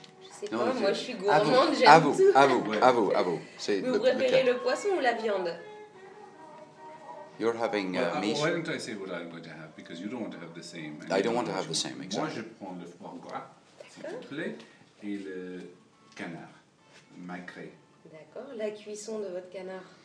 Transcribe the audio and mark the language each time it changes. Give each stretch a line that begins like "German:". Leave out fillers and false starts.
French: C'est non, moi, je suis gourmande, j'aime tout. À vous. C'est vous préférez le poisson ou la viande?
English: You're having meat. Why don't I say what I'm going to have? Because you don't want to have the same. I don't want to have the same, exactly.
French: Moi, je prends le foie gras, s'il vous plaît, et le canard, magret. D'accord, la cuisson de votre canard.